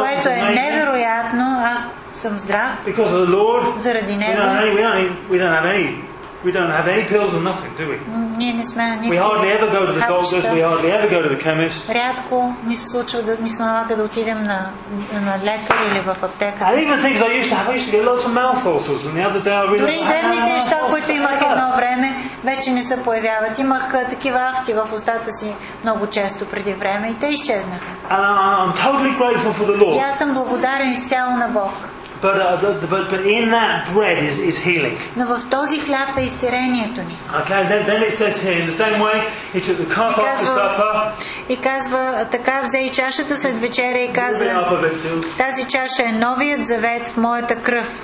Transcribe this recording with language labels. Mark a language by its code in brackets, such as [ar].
[bg] Което е невероятно, аз съм здрав. [en] Because of the Lord. [bg] Заради Него. [en] We don't have any. We don't have any pills or nothing, do we? [bg] Не, не сме, не [en] we hardly ever go to the doctors, we hardly ever go to the chemist. [bg] Рядко ни се случва да ни се налага да отидем на лекар или в аптека. [en] And even things I used to have, I used to get lots of mouth ulcers, and the other day I realized. [bg] Дори и древните неща, които имах едно време, вече не се появяват. Имах такива афти в устата си много често преди време и те изчезнаха. [en] And I'm totally grateful for the Lord. [bg] Я съм благодарен изцяло на Бог. [en] But in that bread is healing. [bg] Но в този хляб е изцелението ни. [en] Okay, then it says here in the same way he took the cup after supper. [bg] И казва така взе и чашата след вечеря и каза. Тази чаша е новият завет в моята кръв.